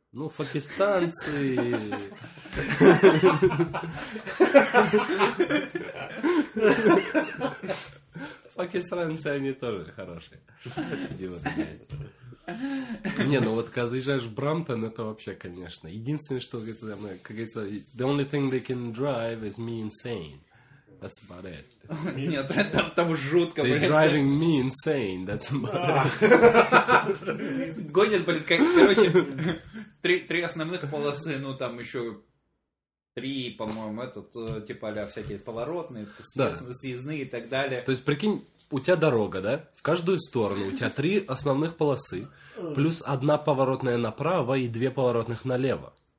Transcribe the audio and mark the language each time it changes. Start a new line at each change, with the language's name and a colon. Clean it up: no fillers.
Russian: Ну, пакистанцы... Пакистанцы, они тоже хорошие. Идиоты, не, ну вот когда заезжаешь в Брамптон, это вообще, конечно. Единственное, что, как говорится,
English: the only thing they can drive is me insane. That's about it.
Russian: Нет, там жутко.
English: They're driving me insane. That's about it.
Russian: Гонят, блин, как, короче, три основных полосы, ну там еще три, по-моему, этот, типа, а-ля всякие поворотные, съездные и так далее. То есть, прикинь, у тебя дорога, да? В каждую сторону у тебя три основных полосы, плюс одна поворотная направо и две поворотных налево.